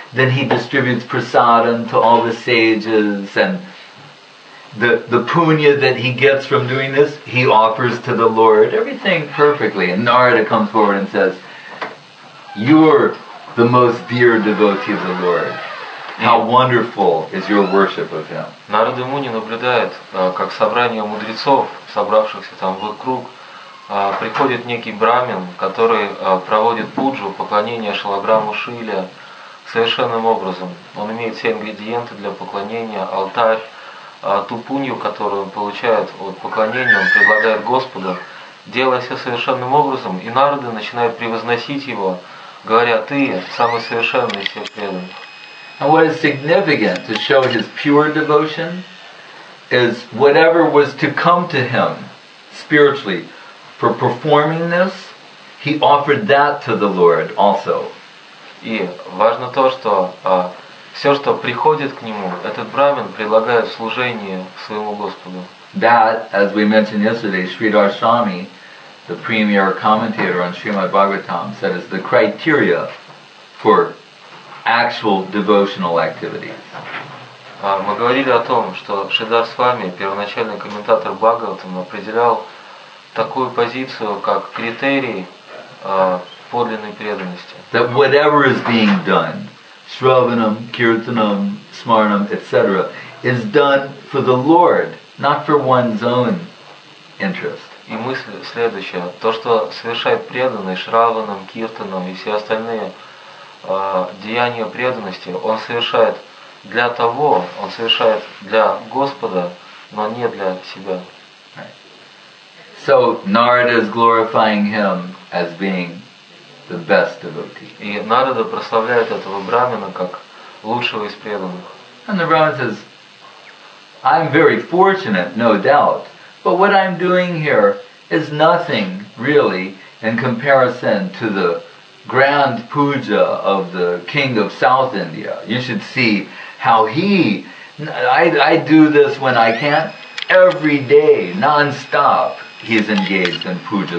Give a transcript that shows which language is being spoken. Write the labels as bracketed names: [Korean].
[English] Then he distributes prasadam to all the sages, and the punya that he gets from doing this, he offers to the Lord, everything perfectly. And Narada comes forward and says, "You're the most dear devotee of the Lord. How wonderful is your worship of him." [Russian] Нарада Муни наблюдает, как собрание мудрецов, собравшихся там вокруг, приходит некий брамин, который проводит пуджу, поклонение шалаграму Шиле совершенным образом. Он имеет все ингредиенты для поклонения, алтарь, ту пунью, которую он получает от поклонения, он предлагает Господу, делая все совершенным образом, и народы начинают превозносить его, говоря: «Ты самый совершенный из всех преданных». [English] And what is significant to show his pure devotion is whatever was to come to him spiritually for performing this, he offered that to the Lord also. [Russian] И важно то, что все, что приходит к нему, этот брамин предлагает служение своему Господу. [English] That, as we mentioned yesterday, Sridhar Swami, the premier commentator on Srimad Bhagavatam, said is the criteria for actual devotional activities. [Russian] Мы говорили о том, что Шридхар Свами, первоначальный комментатор Бхагаватам, определял такую позицию как критерий подлинной преданности. [English] That whatever is being done, Shravanam, Kirtanam, Smaranam, etc., is done for the Lord, not for one's own interest. [Russian] И мысль следующая. То, что совершает преданный Шраванам, Киртанам и все остальные деяния преданности, он совершает для того, он совершает для Господа, но не для себя. [English] Right. So Narada is glorifying him as being the best devotee. [Russian] И Нарада прославляет этого брамина как лучшего из преданных. [English] And the Brahmin says, "I'm very fortunate, no doubt, but what I'm doing here is nothing really in comparison to the grand puja of the king of South India. You should see how he, I do this when I can't, every day, non-stop, he's engaged in puja.